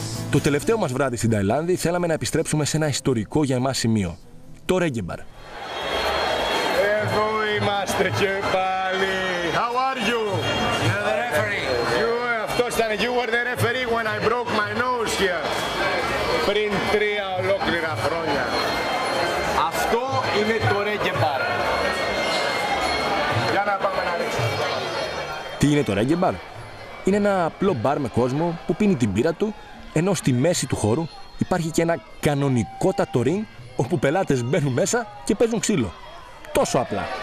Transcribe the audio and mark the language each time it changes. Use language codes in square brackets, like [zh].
[el] Το τελευταίο μας βράδυ στην Ταϊλάνδη θέλαμε να επιστρέψουμε σε ένα ιστορικό για εμάς σημείο. Το Reggae Bar. Εδώ είμαστε και πάλι. [en] How are you? You're the referee. You were the referee when I broke my nose here. [el] Πριν 3 ολόκληρα χρόνια. Αυτό είναι το Reggae Bar. Για να πάμε να ρίξουμε. Τι είναι το Reggae Bar? Είναι ένα απλό μπαρ με κόσμο που πίνει την μπύρα του, ενώ στη μέση του χώρου υπάρχει και ένα κανονικότατο ring όπου πελάτες μπαίνουν μέσα και παίζουν ξύλο. Τόσο απλά.